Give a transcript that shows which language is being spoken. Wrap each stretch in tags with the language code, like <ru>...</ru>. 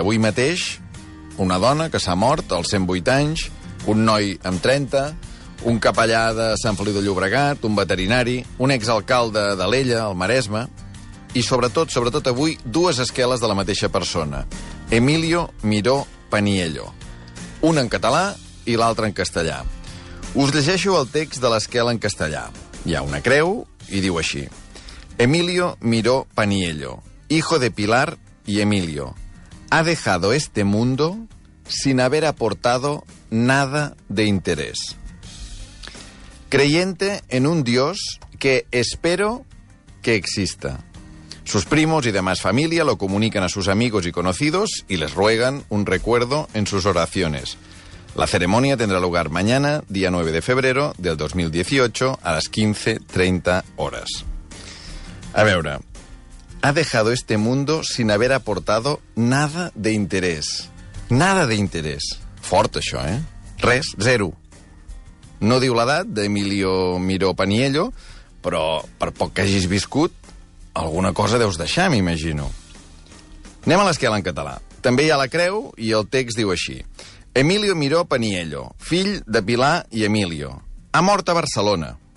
<ca>Avui mateix, una dona que s'ha mort als 108 anys, un noi amb 30, un capellà de Sant Feliu de Llobregat, un veterinari, un exalcalde d'Alella, al Maresme, i sobretot avui, dues esqueles de la mateixa persona. Emilio Miró Paniello. Un en català i l'altre en castellà. Us llegeixo el text de l'esquela en castellà. Hi ha una creu i diu així.</ca> <es>Emilio Miró Paniello, hijo de Pilar y Emilio, ha dejado este mundo sin haber aportado nada de interés. Creyente en un Dios que espero que exista. Sus primos y demás familia lo comunican a sus amigos y conocidos y les ruegan un recuerdo en sus oraciones. La ceremonia tendrá lugar mañana, día 9 de febrero del 2018, a las 15:30 horas.</es> <ca>A veure,</ca> <es>ha dejado este mundo sin haber aportado nada de interés. Nada de interés.</es> <ca>Fort, això, eh? Res, zero. No diu l'edat d'Emilio Miró Paniello, però per poc que hagis viscut, alguna cosa deus deixar, m'imagino. Anem a l'esquela en català. També hi ha la creu i el text diu així. Emilio Miró Paniello, fill de Pilar i Emilio, ha mort a Barcelona.</ca>